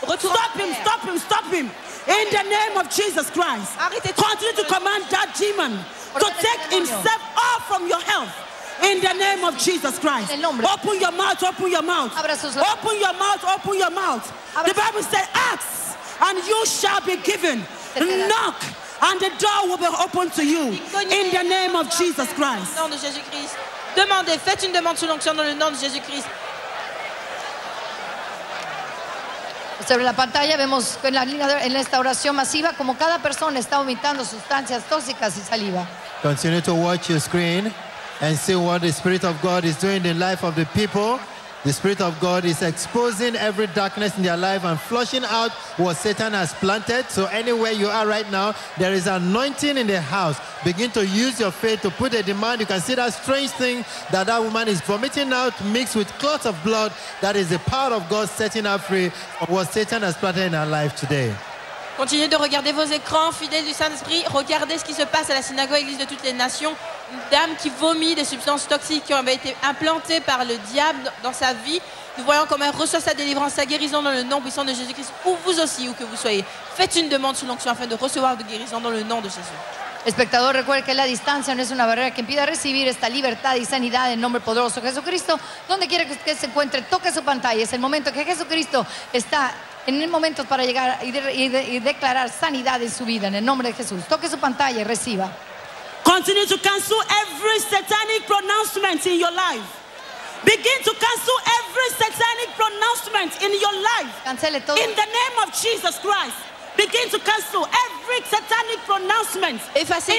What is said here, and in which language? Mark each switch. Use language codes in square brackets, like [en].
[en] Stop him, stop him, stop him. In the name of Jesus Christ, continue to command that demon to take himself off from your health. In the name of Jesus Christ, open your mouth, open your mouth, open your mouth, open your mouth. The Bible says, ask and you shall be given. Knock and the door will be opened to you. In the name of Jesus Christ. [fr] Demandez, faites une demande sous l'onction dans le nom de Jésus Christ. [es] Sobre la pantalla vemos en, la línea de, en esta oración masiva como cada persona está vomitando sustancias tóxicas y saliva. [en] Continue to watch your screen and see what the Spirit of God is doing in the life of the people. The Spirit of God is exposing every darkness in their life and flushing out what Satan has planted. So anywhere you are right now, there is anointing in the house. Begin to use your faith to put a demand. You can see that strange thing that that woman is vomiting out mixed with clots of blood. That is the power of God setting her free of what Satan has planted in her life today. [fr] Continuez de regarder vos écrans, fidèles du Saint-Esprit. Regardez ce qui se passe à la synagogue, église de toutes les nations. Une dame qui vomit des substances toxiques qui ont été implantées par le diable dans sa vie. Nous voyons comment elle reçoit sa délivrance, sa guérison dans le nom puissant de Jésus-Christ. Pour vous aussi, où que vous soyez, faites une demande sous l'onction afin de recevoir de guérison dans le nom de Jésus. [es] Espectador, recuerde que la distancia no es una barrera que impida recibir esta libertad y sanidad en nombre poderoso de Jesucristo. Donde quiera que usted se encuentre, toque su pantalla. Es el momento que Jesucristo está en el momento para llegar y declarar sanidad en su vida en el nombre de Jesús. Toque su pantalla y reciba. [en] Continue to cancel every satanic pronouncement in your life. Begin to cancel every satanic pronouncement in your life. [es] Cancele todo. [en] In the name of Jesus Christ. Begin to cancel every satanic pronouncement. [fr] Effacez